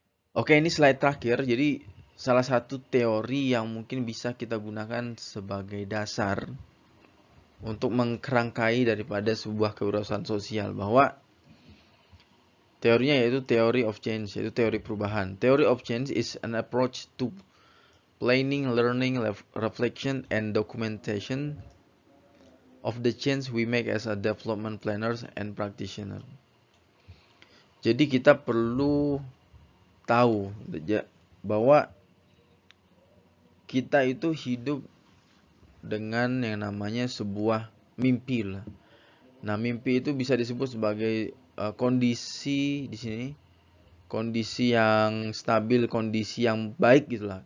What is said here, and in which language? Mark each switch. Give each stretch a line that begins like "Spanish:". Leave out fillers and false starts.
Indonesian: Oke, ini slide terakhir. Jadi salah satu teori yang mungkin bisa kita gunakan sebagai dasar untuk mengkerangkai daripada sebuah kewirausahaan sosial bahwa teorinya yaitu theory of change, yaitu teori perubahan.
English: Theory of change is an approach to planning, learning, reflection, and documentation of the change we make as a development planners and practitioner.
Indonesian: Jadi kita perlu tahu bahwa kita itu hidup dengan yang namanya sebuah mimpi lah. Nah, mimpi itu bisa disebut sebagai kondisi di sini, kondisi yang stabil, kondisi yang baik gitulah.